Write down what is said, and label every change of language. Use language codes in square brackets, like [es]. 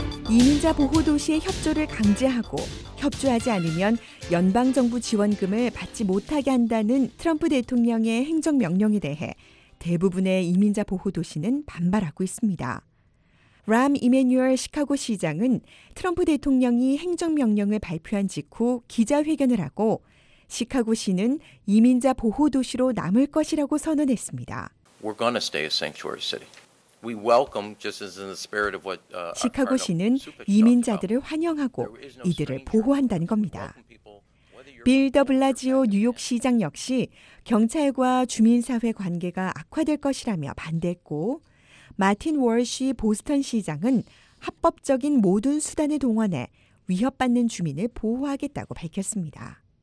[ko] 이민자 보호도시의 협조를 강제하고 협조하지 않으면 연방정부 지원금을 받지 못하게 한다는 트럼프 대통령의 행정명령에 대해 대부분의 이민자 보호도시는 반발하고 있습니다. 람 이메뉴얼 시카고 시장은 트럼프 대통령이 행정명령을 발표한 직후 기자회견을 하고 시카고시는 이민자 보호도시로 남을 것이라고 선언했습니다. [en] We're going to stay a sanctuary city. We welcome just as in the spirit of what [ko] 시카고시는 이민자들을 환영하고 이들을 보호한다는 겁니다. 빌 더블라지오 뉴욕 시장 역시 경찰과 주민 사회 관계가 악화될 것이라며 반대했고 마틴 월시 보스턴 시장은 합법적인 모든 수단을 동원해 위협받는 주민을 보호하겠다고 밝혔습니다.